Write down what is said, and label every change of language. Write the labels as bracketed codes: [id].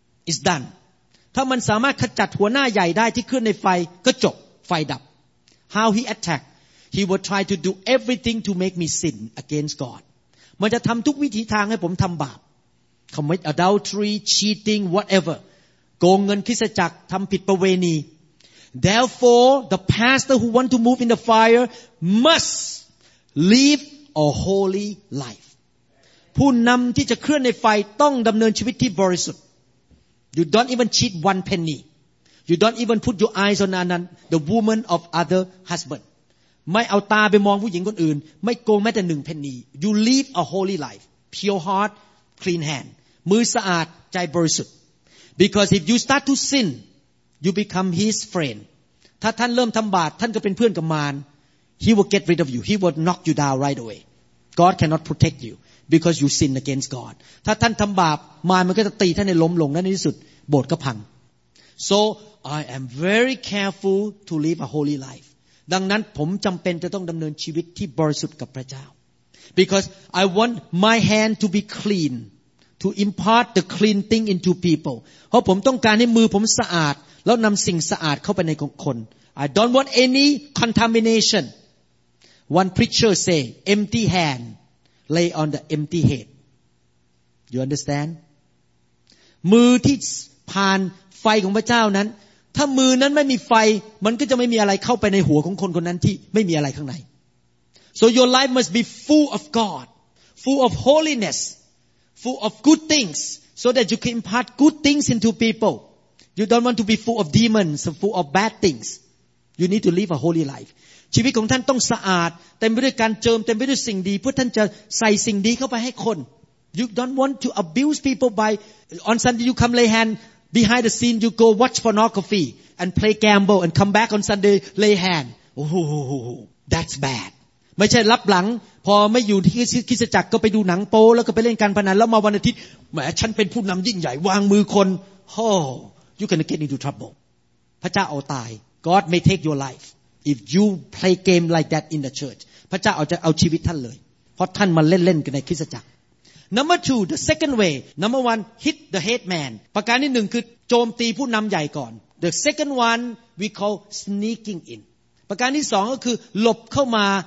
[en] is done [th] ถ้ามันสามารถขจัดหัวหน้าใหญ่ได้ที่เคลื่อนในไฟก็จบไฟดับ [en] how he attack he will try to do everything to make me sin against God [th] มันจะทำทุกวิธีทางให้ผมทำบาป [en] commit adultery cheating whatever [th] โกงเงินคริสตจักรทำผิดประเวณี [en] therefore the pastor who want to move in the fire mustLive a holy life. [th] ผู้นำที่จะเคลื่อนในไฟต้องดำเนินชีวิตที่บริสุทธิ์ [en] You don't even cheat one penny. You don't even put your eyes on the woman of other husband. [th] ไม่เอาตาไปมองผู้หญิงคนอื่นไม่โกงแม้แต่1 penny. [en] You live a holy life. Pure heart, clean hand. [th] มือสะอาดใจบริสุทธิ์ [en] Because if you start to sin, you become his friend. [th] ถ้าท่านเริ่มทำบาปท่านก็เป็นเพื่อนกับมาร [en] He will get rid of you. He will knock you down right away. God cannot protect you because you sin against God. [th] ถ้าท่านทำบาปมารมันก็จะตีท่านให้ล้มลงและในที่สุดโบสถ์ก็พัง [en] So I am very careful to live a holy life. [th] ดังนั้นผมจำเป็นจะต้องดำเนินชีวิตที่บริสุทธิ์กับพระเจ้า [en] Because I want my hand to be clean to impart the clean thing into people. [th] เพราะผมต้องการให้มือผมสะอาดแล้วนำสิ่งสะอาดเข้าไปในคน [en] I don't want any contamination. One preacher say, empty hand lay on the empty head. You understand? [th] มือที่ผ่านไฟของพระเจ้านั้นถ้ามือนั้นไม่มีไฟมันก็จะไม่มีอะไรเข้าไปในหัวของคนคนนั้นที่ไม่มีอะไรข้างใน [en] So your life must be full of God, full of holiness, full of good things so that you can impart good things into people. You don't want to be full of demons, full of bad things. You need to live a holy life. [th] ชีวิตของท่านต้องสะอาดเต็มไปด้วยการเจิมเต็มไปด้วยสิ่งดีเพื่อท่านจะใส่สิ่งดีเข้าไปให้คน [en] You don't want to abuse people by on Sunday you come lay hand behind the scene you go watch pornography and play gamble and come back on Sunday lay hand. Oh, that's bad. [th] ไม่ใช่รับหลังพอไม่อยู่ที่คริสตจักรก็ไปดูหนังโป๊แล้วก็ไปเล่นการพนันแล้วมาวันอาทิตย์แหมฉันเป็นผู้นำยิ่งใหญ่วางมือคน [en] Oh, you can get into trouble. [th] พระเจ้าเอาตาย [en] God may take your life if you play game like that in the church. [th] พระเจ้าจะเอาชีวิตท่านเลยเพราะท่านมาเล่นๆกันในคริสตจักร [en] Number 2 the second way. Number 1 hit the head man. [th] ประการที่1คือโจมตีผู้นำใหญ่ก่อน [en] The second one we call sneaking in. [th] ประการที่2ก็คือหลบเข้ามา